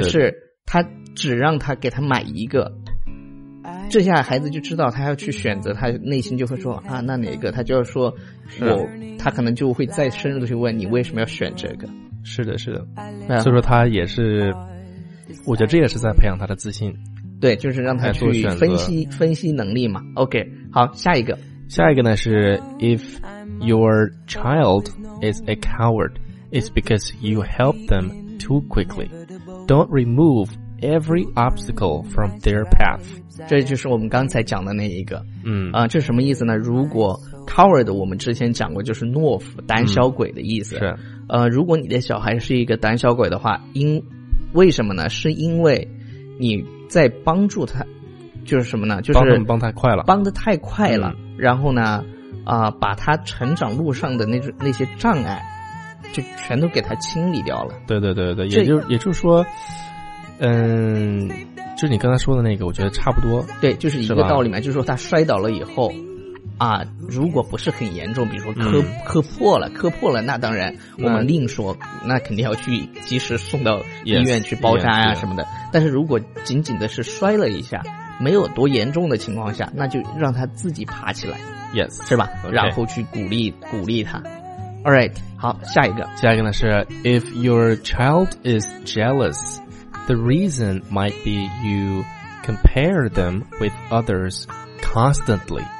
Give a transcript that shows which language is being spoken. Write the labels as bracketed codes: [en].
[zh] 但是他只让他给他买一个，这下孩子就知道他要去选择，他内心就会说啊，那哪个，他就要说他可能就会再深入的去问你为什么要选这个。是的是的、所以说他也是，我觉得这也是在培养他的自信。对，就是让他去分析能力嘛。 OK， 好，下一个呢是 [en] If your child is a coward, it's because you help them too quickly. Don't remove every obstacle from their path. [zh] 这就是我们刚才讲的那一个。这什么意思呢，如果 coward 我们之前讲过，就是懦夫胆小鬼的意思、是。如果你的小孩是一个胆小鬼的话，为什么呢，是因为你在帮助他，就是什么呢，就是帮得太快了、然后呢把他成长路上的那些障碍就全都给他清理掉了。对对对对，也就是说就是你刚才说的那个我觉得差不多。对，就是一个道理嘛，就是说他摔倒了以后啊，如果不是很严重，比如说磕破了，那当然我们另说，那肯定要去及时送到医院去包扎啊什么的。但是如果仅仅的是摔了一下，没有多严重的情况下，那就让他自己爬起来。 [en] Yes， [zh] 是吧？ [en] Okay. [zh] 然后去鼓励他。 [en] All right， [zh] 好，下一个呢是 [en] If your child is jealous, the reason might be you compare them with others constantly.